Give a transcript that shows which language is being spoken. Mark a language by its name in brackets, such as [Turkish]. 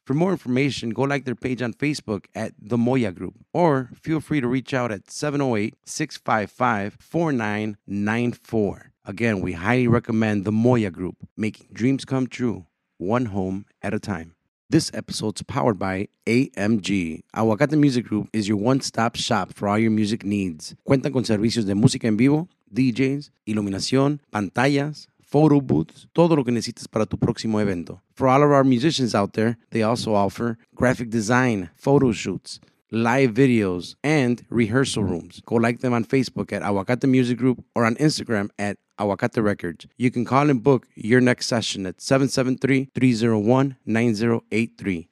[English] For more information, go like their page on Facebook at The Moya Group, or feel free to reach out at 708-655-4994. Again, we highly recommend The Moya Group, making dreams come true, one home at a time. This episode's powered by AMG. Aguacate Music Group is your one-stop shop for all your music needs. [Spanish] Cuentan con servicios de música en vivo, DJs, iluminación, pantallas, photo booths, todo lo que necesitas para tu próximo evento. [English] For all of our musicians out there, they also offer graphic design, photo shoots, live videos, and rehearsal rooms. Go like them on Facebook at Aguacate Music Group or on Instagram at Aguacate Records. You can call and book your next session at 773-301-9083.